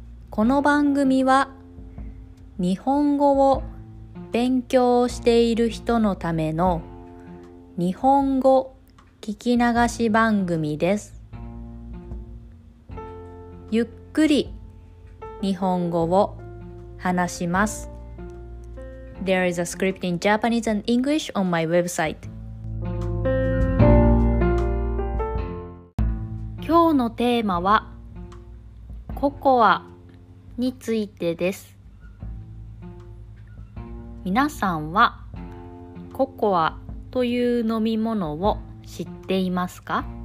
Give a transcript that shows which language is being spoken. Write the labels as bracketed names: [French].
[Japanese] この番組は日本語を勉強している人のための日本語聞き流し番組です。ゆっくり日本語を話します。 [English] There is a script in Japanese and English on my website. [Japanese] 今日のテーマはココアについてです。皆さんはココアという飲み物を知っていますか？